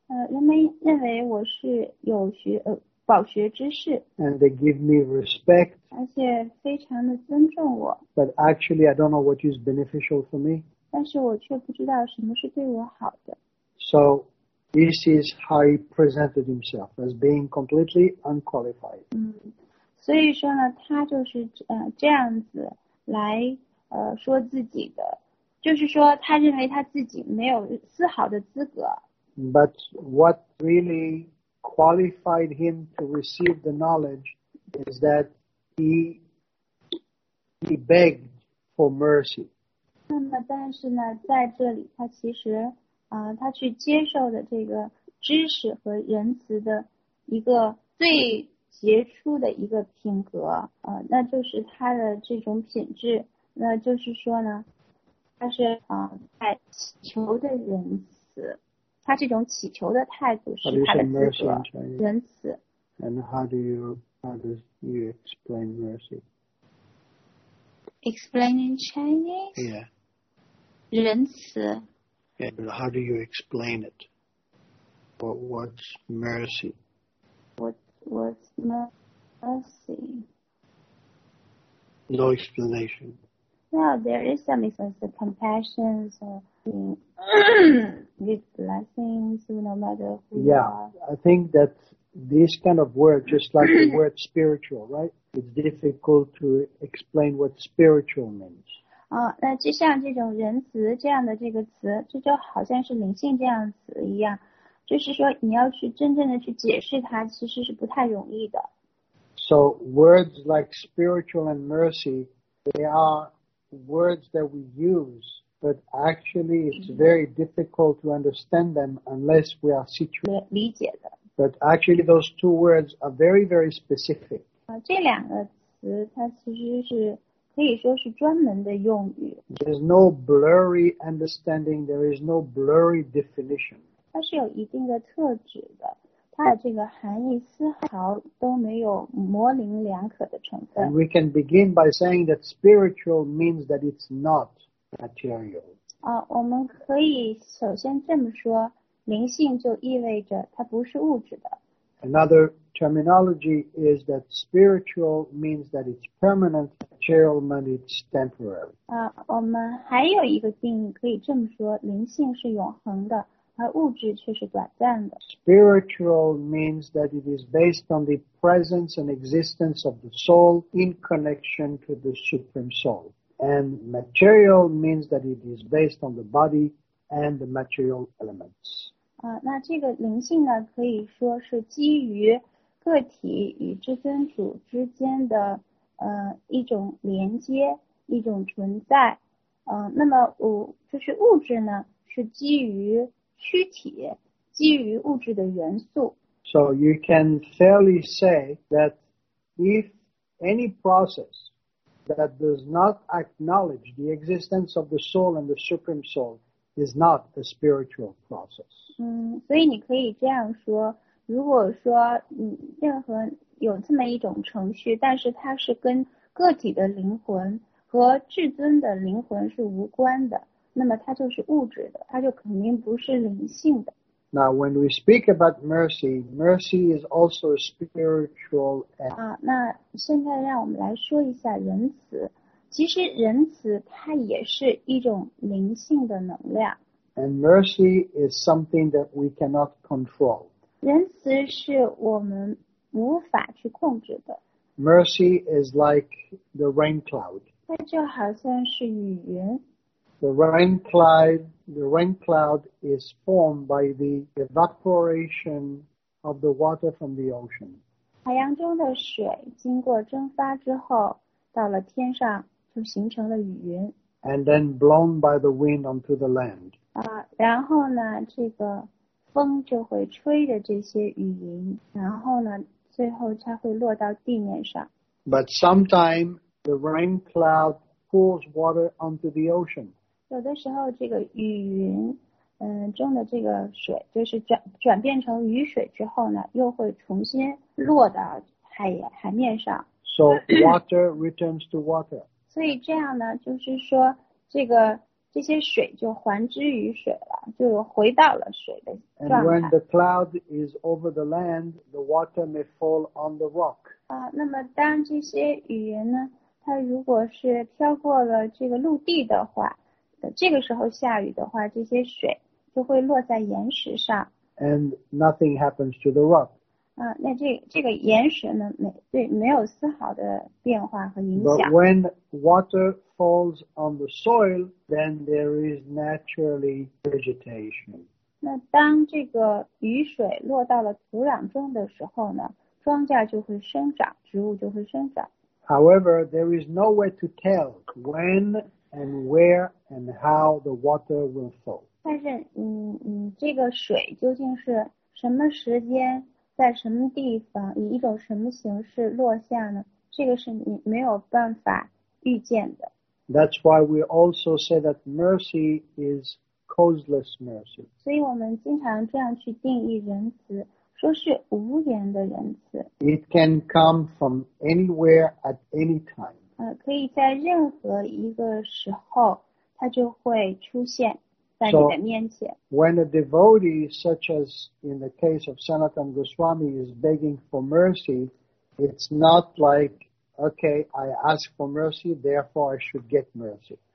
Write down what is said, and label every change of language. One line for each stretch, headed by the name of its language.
Chinese: 人们认为我是有学饱学之士。
English: And they give me respect.
Chinese: 而且非常的尊重我。
English: But actually, I don't know what is beneficial for me.
Chinese: 但是我却不知道什么是对我好的。
English: So, this is how he presented himself as being completely unqualified.
Chinese: 所以说呢，他就是这样子来说自己的，就是说他认为他自己没有丝毫的资格。
English: But what really qualified him to receive the knowledge is that he begged for mercy.
Chinese: 那么但是呢在这里他其实他去接受的这个知识和仁慈的一个最杰出的一个品格那就是他的这种品质那就是说呢他是在祈求的仁慈。他这种祈求的态度是他的资格仁慈。
English: And how do you explain mercy? Explain in Chinese? Yeah.
Chinese: 仁慈。
English: Yeah, but how do you explain it? What's mercy? What's mercy? No explanation. Well, there is some sense of compassion, so... with blessings, no matter who you are. Yeah, I think that this kind of word, just like the word spiritual, right? It's difficult to explain what spiritual means.
Chinese: 那就像这种仁慈这样的这个词，这就好像是灵性这样词一样，就是说你要去真正的去解释它，其实是不太容易的。
English: So words like spiritual and mercy, they are words that we use. But actually, it's very difficult to understand them unless we are situated.
Chinese: 理解的。
English: But actually, those two words are very, very specific.
Chinese: 这两个词它其实是可以说是专门的用语。
English: There's no blurry understanding. There is no blurry definition.
Chinese: 它是有一定的特质的。它的这个含义丝毫都没有模棱两可的成分。
English: And we can begin by saying that spiritual means that it's not. Material.
Chinese: 我们可以首先这么说，灵性就意味着它不是物质的。
English: Another terminology is that spiritual means that it's permanent, material means it's temporary.
Chinese: 我们还有一个定义可以这么说，灵性是永恒的，而物质却是短暂的。
English: Spiritual means that it is based on the presence and existence of the soul in connection to the supreme soul. And material means that it is based on the body and the material elements.
Chinese: 那这个灵性呢，可以说是基于个体与至尊主之间的一种连接，一种存在。那么就是物质呢，是基于躯体，基于物质的元素。
English: So you can fairly say that if any process. That does not acknowledge the existence of the soul and the supreme soul is not a spiritual process.
Chinese: 所以你可以这样说，如果说任何有这么一种程序，但是它是跟个体的灵魂和至尊的灵魂是无关的，那么它就是物质的，它就肯定不是灵性的。
English: Now, when we speak about mercy, mercy is also a spiritual act.
Chinese: 那现在让我们来说一下仁慈。其实仁慈它也是一种灵性的能量。
English: And mercy is something that we cannot control.
Chinese: 仁慈是我们无法去控制的。
English: Mercy is like the rain cloud.
Chinese: 它就好像是雨云。
English: The rain cloud is formed by the evaporation of the water from the ocean.
Chinese: 海洋中的水经过蒸发之后到了天上就形成了雨云。
English: And then blown by the wind onto the land.
Chinese: 然后呢这个风就会吹着这些雨云然后呢最后才会落到地面上。
English: But sometimes the rain cloud pulls water onto the ocean.
Chinese: 有的时候这个雨云中的这个水就是转变成雨水之后呢又会重新落到海面上。
English: So water returns to water.
Chinese: 所以这样呢就是说这些水就还之于水了就回到了水的状态。
English: And when the cloud is over the land, the water may fall on the rock.
Chinese: 那么当这些雨云呢它如果是飘过了这个陆地的话这个时候下雨的话这些水就会落在岩石上。
English: And nothing happens to the rock.
Chinese: 那这个岩石呢没有丝毫的变化和影响。
English: But when water falls on the soil, then there is naturally vegetation.
Chinese: 那当这个雨水落到了土壤中的时候呢庄稼就会生长植物就会生长。
English: However, there is no way to tell when and where and how the water will fall.
Chinese: 但是这个水究竟是什么时间在什么地方以一种什么形式落下呢这个是你没有办法预见的。
English: That's why we also say that mercy is causeless mercy.
Chinese: 所以我们经常这样去定义仁慈说是无缘的仁慈。
English: It can come from anywhere at any time.
Chinese: 可以在任何一个时候它就会出现在你的面前。
English: So, when a devotee, such as in the case of Sanatana Goswami, is begging for mercy, it's not like, okay, I ask for mercy, therefore I should get mercy.